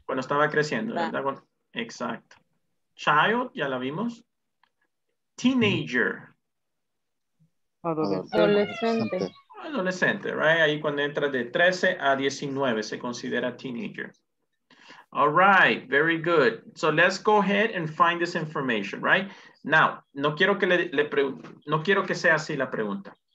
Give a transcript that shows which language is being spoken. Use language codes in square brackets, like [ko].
[es] Cuando estaba creciendo. Right. Exacto. Child, ya la vimos. Teenager. Adolescente. Adolescente, right? Ahí cuando entra de 13 a 19 se considera teenager. [en] All right, very good. So let's go ahead and find this information, right? [es] Now, no quiero que sea así la pregunta.